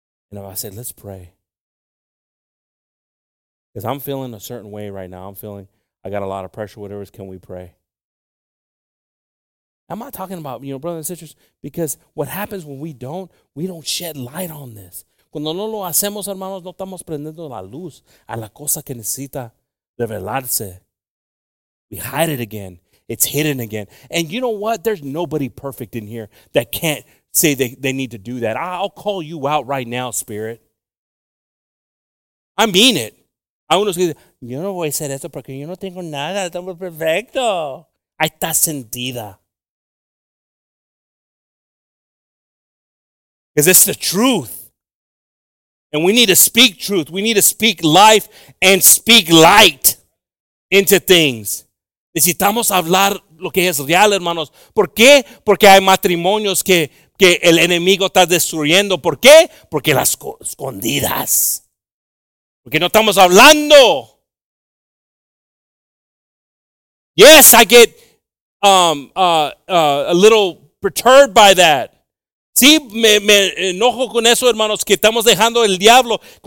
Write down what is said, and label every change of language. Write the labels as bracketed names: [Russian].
[English] And if I said, let's pray. Because I'm feeling a certain way right now. I'm feeling I got a lot of pressure, whatever it is. Can we pray? I'm not talking about, you know, brothers and sisters, because what happens when we don't shed light on this. [Spanish] Cuando no lo hacemos, hermanos, no estamos prendiendo la luz a la cosa que necesita revelarse. [English] We hide it again. It's hidden again. And you know what? There's nobody perfect in here that can't say they need to do that. I'll call you out right now, spirit. I mean it. I want to say, [Spanish] yo no voy a hacer esto porque yo no tengo nada. Estamos perfecto. Ahí está sentida. [English] Because it's the truth. And we need to speak truth. We need to speak life and speak light into things. [Spanish] Necesitamos hablar lo que es real, hermanos. ¿Por qué? Porque hay matrimonios que el enemigo está destruyendo. ¿Por qué? Porque las escondidas. Porque no estamos hablando. [English] Yes, I get a little perturbed by that. [Spanish] Sí, me enojo con eso, hermanos, que estamos dejando el diablo.